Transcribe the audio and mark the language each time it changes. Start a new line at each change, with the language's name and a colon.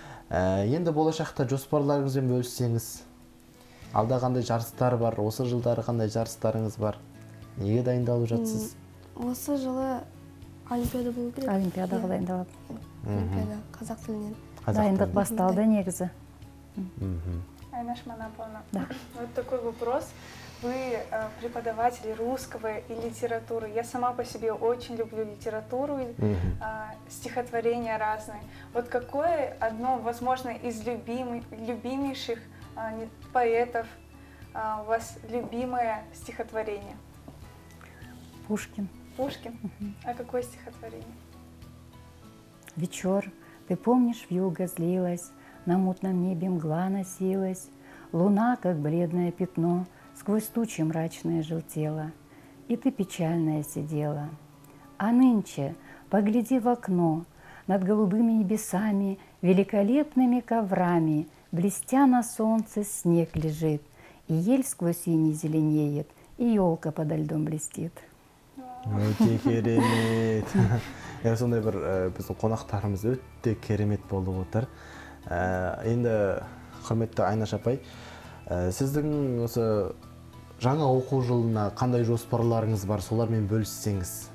Kazakh: Енді болашақта жоспарларыңызбен бөліссеңіз, алда қандай жарыстар бар, осы жылдары қандай жарыстарыңыз бар, неге дайындалып жатсыз? Осы жылы олимпиада болу керек. Олимпиадаға дайындалып. Олимпиада қазақ тілінен. Дайындық басталды негізі.
Russian: Айнаш Манаповна, вот такой вопрос. Вы преподаватель русского и литературы. Я сама по себе очень люблю литературу и стихотворения разные. Вот какое одно, возможно, из любимейших поэтов у вас любимое стихотворение? Пушкин. Пушкин? А какое стихотворение? «Вечер, ты помнишь, вьюга злилась, на мутном небе мгла носилась, луна, как бледное пятно, сквозь тучи мрачное желтела, и ты печальная сидела. А нынче, погляди в окно, над голубыми небесами, великолепными коврами, блестя на солнце, снег лежит, и ель сквозь синий зеленеет, и елка подо льдом блестит».
Kazakh: Өте керемет. Сонда бір біздің қонақтарымыз өте керемет болып отыр. Енді құрметті Айнаш апай, сіздің осы жаңа оқу жылына қандай жоспарларыңыз бар, солармен бөліссеңіз?